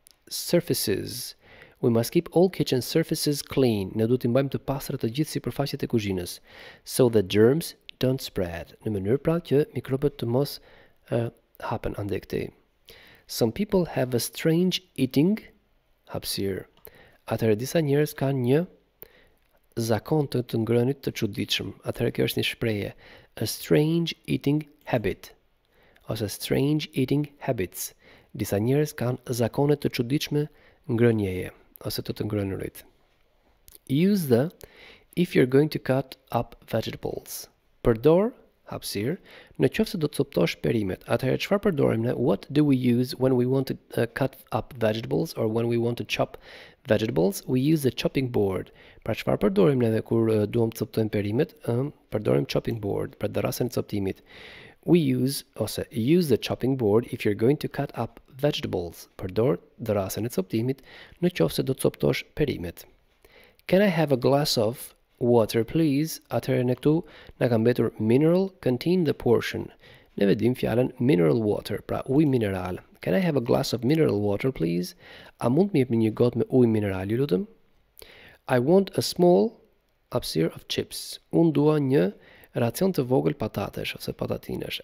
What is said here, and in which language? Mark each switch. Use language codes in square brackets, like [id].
[en] Surfaces. We must keep all kitchen surfaces clean. [sq] Ne duhet të mbajmë të pastra të gjithë sipërfaqet e kuzhinës. [en] So the germs don't spread. [sq] Në mënyrë pra që mikrobët të mos hapen ande këtej. [en] Some people have a strange eating. [sq] Hapsir. Atëherë disa njerëz kanë një zakon të ngrënit të çuditshëm. Atëherë kjo është një shprehje. [en] A strange eating habit. Ose strange eating habits. [sq] Disa njerëz kanë zakone të çuditshme ngrënjeje ose të ngrënërit. [en] Use the if you're going to cut up vegetables. [sq] Përdor, hapësir, në qoftë se do të coptosh perimet. Atëherë çfarë përdorim ne? [en] What do we use when we want to cut up vegetables or when we want to chop vegetables? We use the chopping board. [sq] Pra çfarë përdorim ne kur duam të coptojmë perimet? Përdorim chopping board për dërasën e coptimit. [en] We use ose use the chopping board if you're going to cut up vegetables. [sq] Përdor dërasën e coptimit në qoftë se do të coptosh perimet. [en] Can I have a glass of water please? [sq] Atëherë ne këtu na ka mbetur [en] mineral, contain the portion. [sq] Ne vedim fjalën mineral water, pra ujë mineral. [en] Can I have a glass of mineral water please? [sq] A mund më jepni një gotë me ujë mineral, ju lutem? [en] I want a small hapsir of chips. [sq] Unë dua një racion të vogël patatesh ose patatinesh.